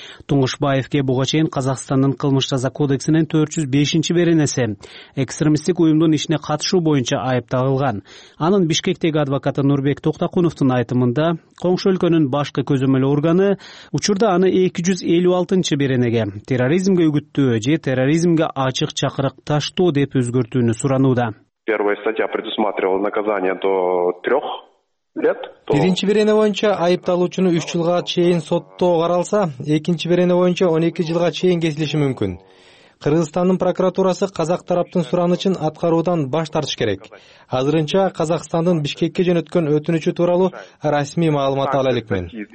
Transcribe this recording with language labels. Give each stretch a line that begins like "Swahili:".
Kyrgyz: Туңгушбаевке буга чейин Казакстандын кылмыш жаза кодексинин 405 беренеси экстремисттик уюмдун ишине катышуу боюнча айып тагылган. Анын Бишкектеги адвокаты Нурбек Токтокуновдун айтымында коңшу өлкөнүн башкы көзөмөл органы учурда аны 256 беренеге терроризмге үгүттөө же терроризмге ачык чакырыкташтоо деп өзгөртүүнү суранууда.
Russian: Первая статья предусматривала наказание до 3 лет.
Kyrgyz: Биринчи берене боюнча айыпталуучуну 3 жылга чейин соттоо каралса, экинчи берене боюнча 12 жылга чейин кесилиши мүмкүн. Кыргызстандын прокуратурасы казак тараптын суранычын аткаруудан баш тартыш керек. Азырынча Казакстандын Бишкекке жөнөткөн өтүнүчү тууралуу расмий маалымат ала элекмин.